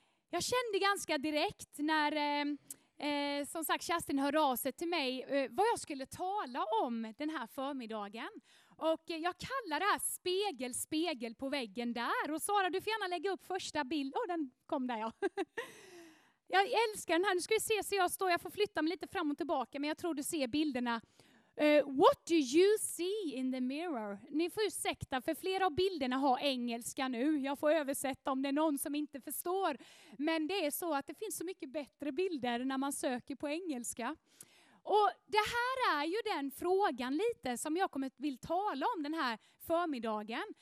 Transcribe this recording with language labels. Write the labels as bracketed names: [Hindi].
[Swedish] Jag kände ganska direkt när som sagt Kerstin hörde av sig till mig vad jag skulle tala om den här förmiddagen. Och jag kallar det här spegel, spegel på väggen där. Och Sara, du får gärna lägga upp första bilden. Och den kom där, ja. Jag älskar den här. Nu ska vi se så jag står. Jag får flytta mig lite fram och tillbaka. Men jag tror du ser bilderna. [English] What do you see in the mirror? [Swedish] Ni får ursäkta, för flera av bilderna har engelska nu. Jag får översätta om det är någon som inte förstår. Men det är så att det finns så mycket bättre bilder när man söker på engelska. Och det här är ju den frågan lite som jag kommer vill tala om den här förmiddagen.